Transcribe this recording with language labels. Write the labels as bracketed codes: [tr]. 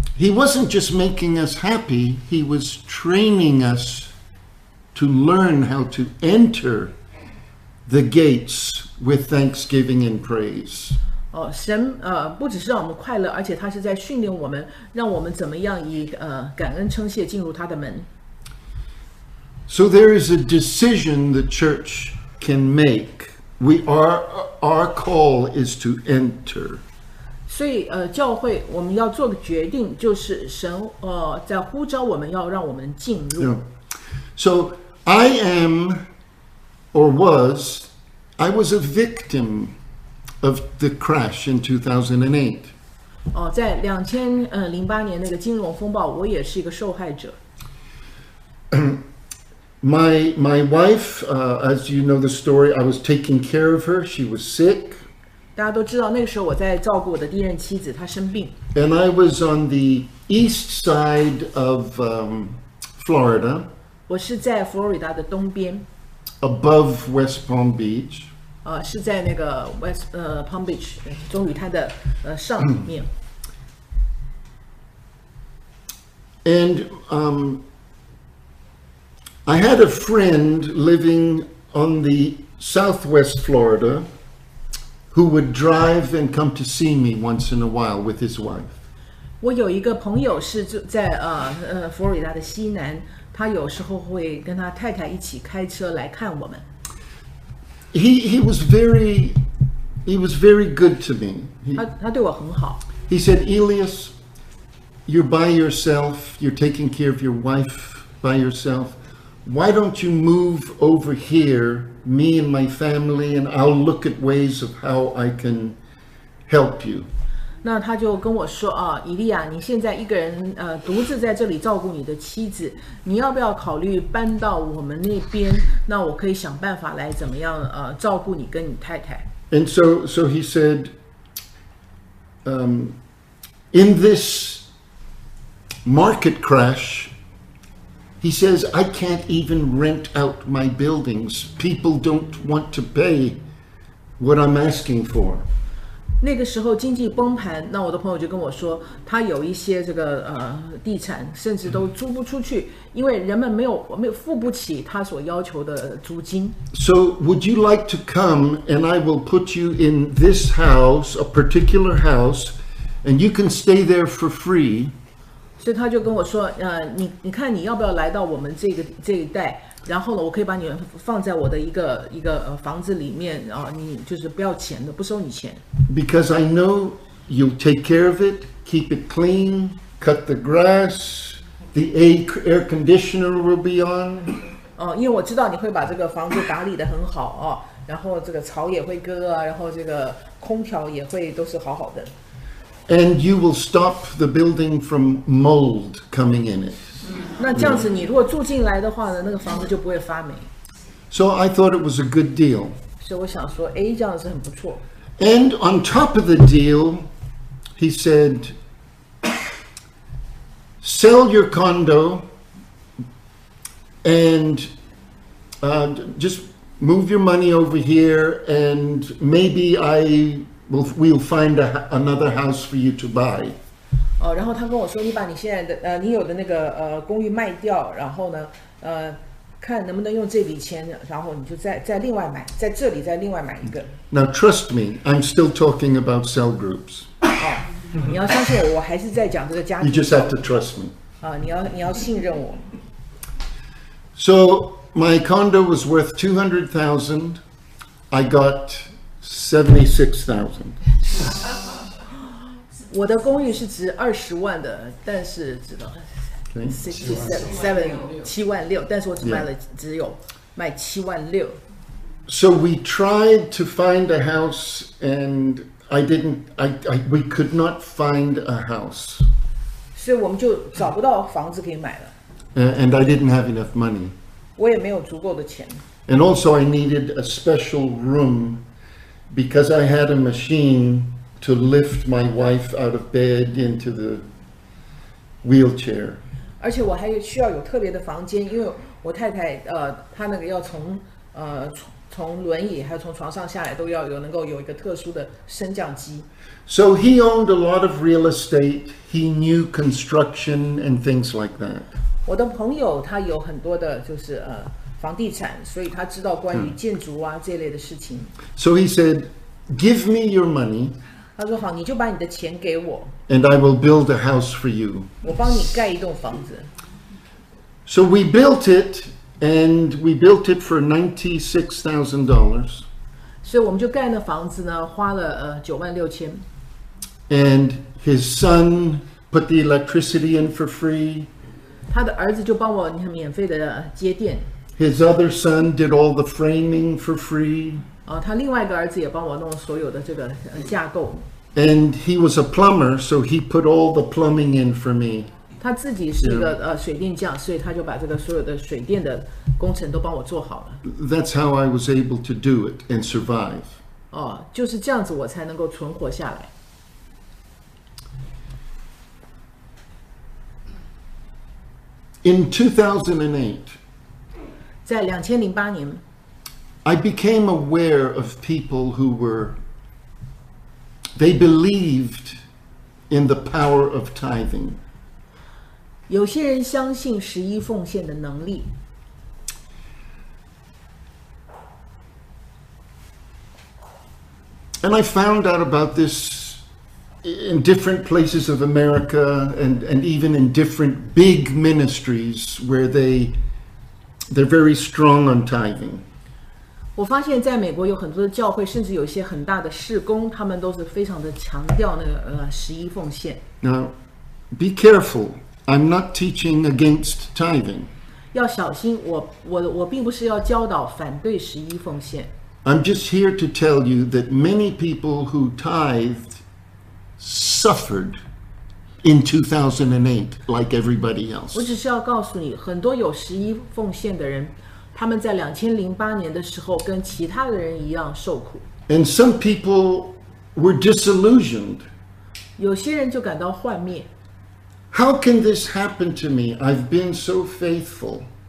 [en] He wasn't just making us happy; He was training us to learn how to enter the gates. With thanksgiving and praise. [zh] 神不只是让我们快乐，而且他是在训练我们，让我们怎么样以感恩称谢进入他的门。 [en] So there is a decision the church can make. Our call is to enter. [zh] 所以教会我们要做个决定，就是神在呼召我们要让我们进入。 [en] So I am, or was. I was a victim of the crash in 2008. [zh] 在2008年那个金融风暴，我也是一个受害者。 [en] My wife, as you know the story, I was taking care of her. She was sick. [zh] 大家都知道那个时候我在照顾我的第一任妻子，她生病。 [en] And I was on the east side of Florida. [zh] 我是在佛罗里达的东边。 [en] Above West Palm Beach, [zh] 是在那个 West Palm Beach 棕榈滩的上面。 [en] And I had a friend living on the Southwest Florida who would drive and come to see me once in a while with his wife. [zh] 我有一个朋友是在佛罗里达的西南。他有时候会跟他太太一起开车来看我们。 [en] He was very good to me. [zh] He 对我很好。 [en] He said, Elias, you're by yourself. You're taking care of your wife by yourself. Why don't you move over here, me and my family, and I'll look at ways of how I can help you. [zh] 那他就跟我说啊，以利亚，你现在一个人独自在这里照顾你的妻子，你要不要考虑搬到我们那边？那我可以想办法来怎么样照顾你跟你太太。 [en] And so he said, in this market crash, He says, I can't even rent out my buildings. People don't want to pay what I'm asking for. [zh] 那个时候经济崩盘，那我的朋友就跟我说，他有一些这个地产甚至都租不出去，因为人们没有付不起他所要求的租金。 [en] So would you like to come and I will put you in this house, a particular house, and you can stay there for free? [zh] 所以他就跟我说，你看你要不要来到我们这一带，然后呢，我可以把你放在我的一个房子里面啊，你就是不要钱的，不收你钱。 [en] Because I know you'll take care of it, keep it clean, cut the grass, the air conditioner will be on. [zh] 哦，因为我知道你会把这个房子打理得很好啊，然后这个草也会割啊，然后这个空调也会都是好好的。 [en] And you will stop the building from mold coming in it. [zh] 那这样子你如果住进来的话呢，那个房子就不会发霉。 [en] So I thought it was a good deal. [zh] 所以我想说，哎，这样子很不错。 [en] And on top of the deal, he said, sell your condo and just move your money over here and maybe we'll find another house for you to buy. [zh] 哦，然后他跟我说，你把你现在的你有的那个公寓卖掉，然后呢，看能不能用这笔钱，然后你就再另外买，在这里再另外买一个。 [en] Now trust me, I'm still talking about cell groups. [zh] 哦，你要相信我，我还是在讲这个家庭。 [en] You just have to trust me. [zh] 啊，你要信任我。 [en] So my condo was worth $200,000. I got $76,000. [zh] 我的公寓是值20万的，但是值了76,000，但是我只卖了只有卖76,000. [en] So we tried to find a house, and we could not find a house. [zh] 所以我们就找不到房子可以买了。 [en] And I didn't have enough money. [zh] 我也没有足够的钱。 [en] And also, I needed a special room. Because I had a machine to lift my wife out of bed into the wheelchair. [zh] 而且我还需要有特别的房间，因为我太太她那个要从轮椅还有从床上下来，都要有能够有一个特殊的升降机。 [en] So he owned a lot of real estate. He knew construction and things like that. [zh] 我的朋友他有很多的就是房地产，所以他知道关于建筑啊这类的事情。 [en] So he said, "Give me your money." [zh] 他说好，你就把你的钱给我。 [en] And I will build a house for you. [zh] 我帮你盖一栋房子。 [en] So we built it, and we built it for $96,000. [zh] 所以我们就盖那房子呢，花了96,000. [en] And his son put the electricity in for free. [zh] 他的儿子就帮我免费的接电。 [en] His other son did all the framing for free. [zh] 哦，他另外一个儿子也帮我弄所有的这个架构。 [en] And he was a plumber, so he put all the plumbing in for me. [zh] 他自己是一个水电匠，所以他就把这个所有的水电的工程都帮我做好了。 [en] That's how I was able to do it and survive. [zh] 哦，就是这样子我才能够存活下来。 [en] In 2008. [zh] 在2008年 [en] I became aware of people who were, they believed in the power of tithing. [zh] 有些人相信十一奉献的能力。 [en] And I found out about this in different places of America and even in different big ministries where they're very strong on tithing. [zh] 我发现在美国有很多的教会，甚至有一些很大的事工，他们都是非常的强调那个十一奉献。 [en] Now, be careful. I'm not teaching against tithing. [zh] 要小心，我并不是要教导反对十一奉献。 [en] I'm just here to tell you that many people who tithed suffered. In 2008, like everybody else. [zh] 我只是要告诉你，很多有十一奉献的人，他们在2008年的时候跟其他的人一样受苦。 [en] And some people were disillusioned. [zh] 有些人就感到幻灭。 [en] How can this happen to me? I've been so faithful.